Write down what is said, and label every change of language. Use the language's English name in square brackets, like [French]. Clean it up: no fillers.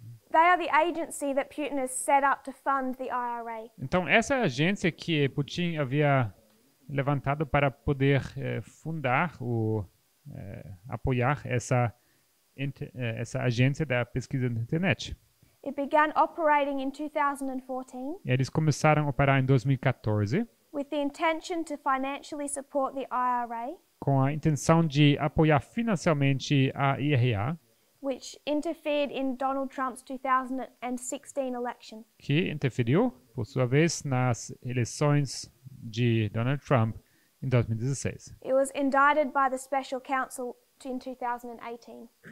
[English] They are the agency that Putin has set up to fund the IRA. [Portuguese] Então essa agência que Putin havia levantado para poder fundar ou apoiar essa agência da pesquisa na internet. [English] It began operating in 2014. [Portuguese] Eles começaram a operar em 2014. [English] With the intention to financially support the IRA. [Portuguese] Com a intenção de apoiar financeiramente a IRA. [English] Which interfered in Donald Trump's 2016 election. [Portuguese] Que interferiu, por sua vez, nas eleições de Donald Trump em 2016. [English] It was indicted by the special counsel in 2018.